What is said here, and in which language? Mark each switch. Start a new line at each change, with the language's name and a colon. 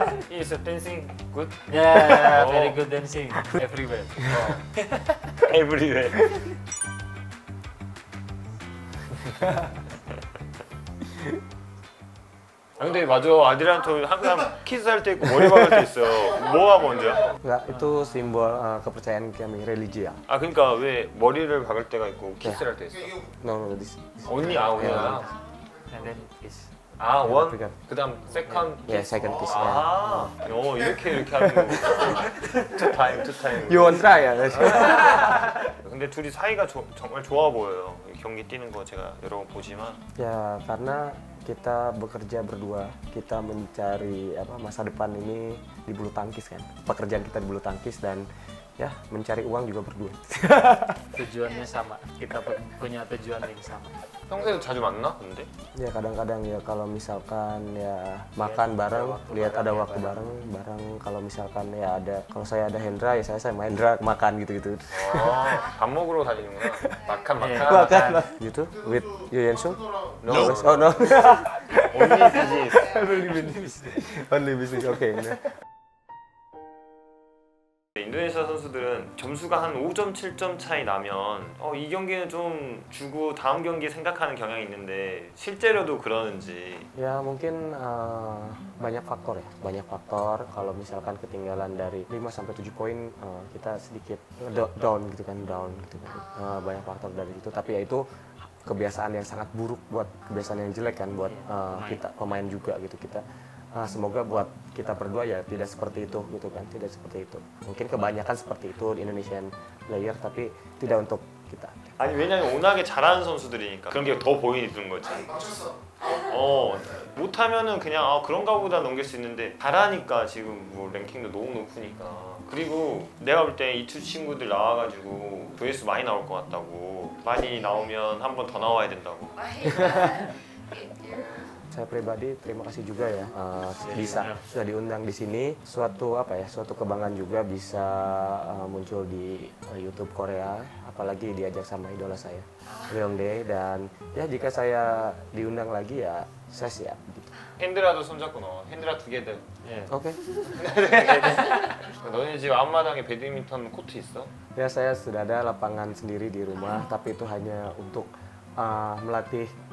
English: Is dancing good? Yeah, very good dancing. Everywhere. Everywhere.
Korean: 근데 맞아, 아드리안토 항상 키스할 때 있고 머리 박을 때 있어. 뭐가 먼저? 그러니까
Indonesian: itu simbol kepercayaan kami, religi ya.
Korean: 아, 그러니까 왜 머리를 박을 때가 있고 키스할 때 있어?
English: No, this.
Korean: 언니, 아, 언니야.
English: And then kiss. 아, one.
Korean: 그다음
English: second kiss. Yeah, second kiss.
Korean: 아, 오, 이렇게 하는 거.
English: Two time. You want try?
Korean: 근데 둘이 사이가 정말 좋아 보여요. 경기 뛰는 거 제가 여러 번 보지만. 야, 그러나
Indonesian: kita bekerja berdua, kita mencari apa masa depan ini di bulu tangkis kan, pekerjaan kita di bulu tangkis, dan ya mencari uang juga berdua. Tujuannya sama, kita punya tujuan yang sama. Kamu itu jarang mana, nanti? Ya kadang-kadang ya kalau misalkan ya makan ya, bareng, lihat ada waktu bareng. Kalau misalkan ya ada, kalau saya ada Hendra ya saya Hendra makan gitu-gitu. Oh, kamu mukul tadi nih, makan. Makan. Gitu?
English: With Yu Yensu? No. No. Oh no. Only business. Only business. Okay. No.
Korean: 인도네시아 선수들은 점수가 한 5점, 7점 차이 나면 이 경기는 좀 주고 다음 경기 생각하는 경향이 있는데 실제로도 그러는지.
Indonesian: 야, mungkin banyak faktor ya. Banyak faktor. Kalau misalkan ketinggalan dari 5 sampai 7 poin kita sedikit down gitu kan. Banyak faktor dari itu, tapi ya itu kebiasaan yang sangat buruk, buat kebiasaan yang jelek kan buat kita pemain juga gitu kita. Nah, semoga buat kita berdua ya tidak seperti itu gitu kan, tidak seperti itu. Mungkin kebanyakan seperti itu di
English: Indonesian player,
Indonesian: tapi tidak untuk kita.
Korean: 아니 왜냐면 워낙에 잘하는 선수들이니까 그런 게 더 보이는 있는 거지. 못하면은 그냥 그런가 보다 넘길 수 있는데 잘하니까 지금 뭐 랭킹도 너무 높으니까. 그리고 내가 볼 때 이 두 친구들 나와가지고 VS 많이 나올 것 같다고. 많이 나오면 한 번 더 나와야 된다고.
Indonesian: Saya pribadi terima kasih juga ya bisa sudah diundang di sini, suatu kebanggaan juga bisa muncul di YouTube Korea, apalagi diajak sama idola saya Ryongdae. Dan ya jika saya diundang lagi ya saya siap.
Korean: Hendra도 손잡고 너 Hendra 두 개든. 예. 오케이. 너네 지금 앞마당에 배드민턴 코트 있어?
Indonesian: Ya saya sudah ada lapangan sendiri di rumah, tapi itu hanya untuk melatih.